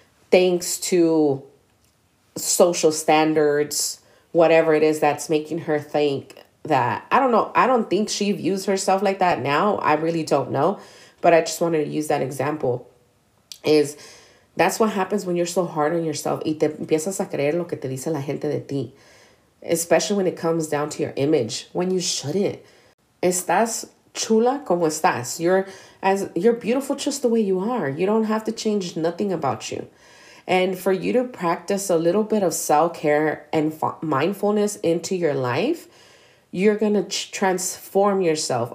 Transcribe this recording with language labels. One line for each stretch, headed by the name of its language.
English: Thanks to social standards, whatever it is that's making her think that. I don't know. I don't think she views herself like that now. I really don't know. But I just wanted to use that example. Is that's what happens when you're so hard on yourself.
Spanish: Y te empiezas a creer lo que te dice la gente de ti.
English: Especially when it comes down to your image. When you shouldn't.
Spanish: Estás chula como estás.
English: You're beautiful just the way you are. You don't have to change nothing about you. And for you to practice a little bit of self-care and mindfulness into your life, you're going to transform yourself.